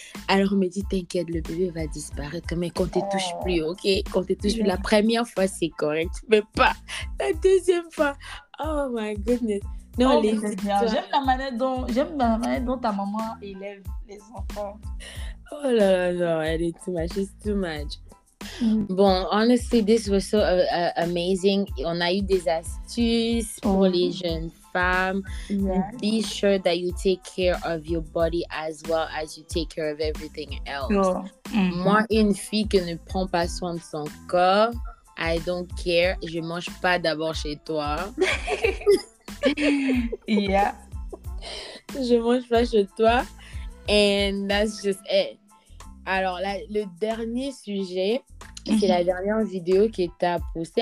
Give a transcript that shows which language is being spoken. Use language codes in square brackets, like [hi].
[fr] Alors elle me dit, t'inquiète, le bébé va disparaître. Mais quand tu touches plus, ok? Quand tu touches plus, la première fois, c'est correct. Mais pas la deuxième fois. [en] Oh my goodness. [fr] Non, oh, les J'aime la manière dont ta maman élève les enfants. Oh là là, non, elle est [en] too much. It's too much. Bon, honestly, this was so amazing. [fr] On a eu des astuces pour les jeunes femmes. [en] Yeah. Be sure that you take care of your body as well as you take care of everything else. Oh. Mm-hmm. [fr] Moi, une fille qui ne prend pas soin de son corps, [en] I don't care. [fr] Je mange pas d'abord chez toi. [en] Yeah. [fr] Je mange pas chez toi. [en] And that's just it. [fr] Alors, le dernier sujet, c'est la dernière vidéo que t'as postée.